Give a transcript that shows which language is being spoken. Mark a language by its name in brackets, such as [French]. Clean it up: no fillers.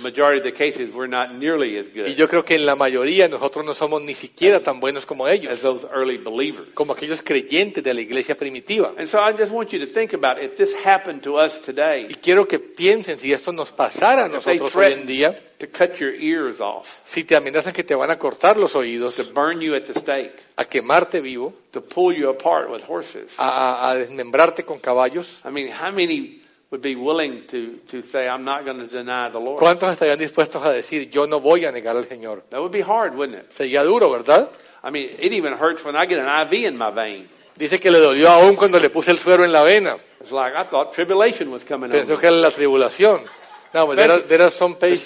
[English] Majority of the cases, we're not nearly as good. [Spanish] Y yo creo que en la mayoría nosotros no somos ni siquiera tan buenos como ellos. [English] As those early believers. [Spanish] Como aquellos creyentes de la iglesia primitiva. [English] And so I just want you to think about if this happened to us today. [Spanish] Y quiero que piensen si esto nos pasara a nosotros hoy en día. [English] To cut your ears off. [Spanish] Si te amenazan que te van a cortar los oídos. [English] To burn you at the stake. [Spanish] A quemarte vivo. [English] To pull you apart with horses. [Spanish] A desmembrarte con caballos. [English] I mean, how many would be willing to say I'm not going to deny the Lord. [Spanish] ¿Cuántos estarían dispuestos a decir yo no voy a negar al Señor? [English] That would be hard, wouldn't it? [Spanish] Sería duro, ¿verdad? [English] I mean, it even hurts when I get an IV in my vein. [Spanish] Dice que le dolió aún cuando le puse el suero en la vena. [English] It's like I thought tribulation was coming. [Spanish] Pensó que era la tribulación. [English] No, but there are some patients.